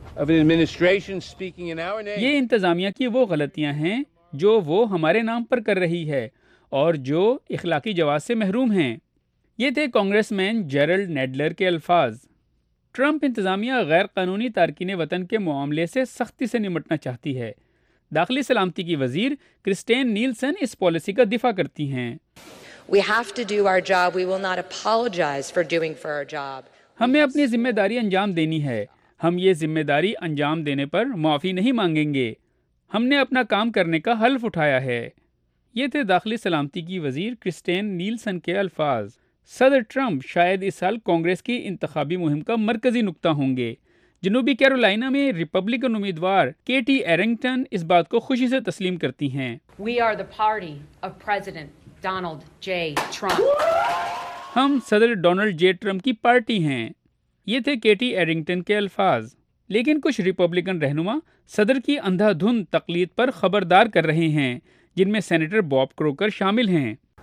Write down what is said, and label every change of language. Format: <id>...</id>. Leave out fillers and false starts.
<ur>یہ انتظامیہ کی وہ غلطیاں ہیں جو وہ ہمارے نام پر کر رہی ہے اور جو اخلاقی جواز سے محروم ہیں. یہ تھے کانگریس مین جیرلڈ نیڈلر کے الفاظ. ٹرمپ انتظامیہ غیر قانونی تارکین وطن کے معاملے سے سختی سے نمٹنا چاہتی ہے. داخلی سلامتی کی وزیر کرسٹین نیلسن اس پالیسی کا دفاع کرتی ہیں.</ur> <en>We have to do our job. We will not apologize for doing for our job.</en> <ur>ہمیں اپنی ذمہ داری انجام دینی ہے. ہم یہ ذمہ داری انجام دینے پر معافی نہیں مانگیں گے. ہم نے اپنا کام کرنے کا حلف اٹھایا ہے. یہ تھے داخلی سلامتی کی وزیر کرسٹین نیلسن کے الفاظ. صدر ٹرمپ شاید اس سال کانگریس کی انتخابی مہم کا مرکزی نقطہ ہوں گے. جنوبی کیرولائنا میں ریپبلکن امیدوار کیٹی ایرنگٹن اس بات کو خوشی سے تسلیم کرتی ہیں.</ur> <en>We are the party of President Donald J. Trump.</en> <ur>ہم صدر ڈونلڈ جے ٹرمپ کی پارٹی ہیں. یہ تھے کیٹی ایرنگٹن کے الفاظ. لیکن کچھ ریپبلکن رہنما صدر کی اندھا دھند تقلید پر خبردار کر رہے ہیں, جن میں سینیٹر باب کروکر شامل ہیں.</ur>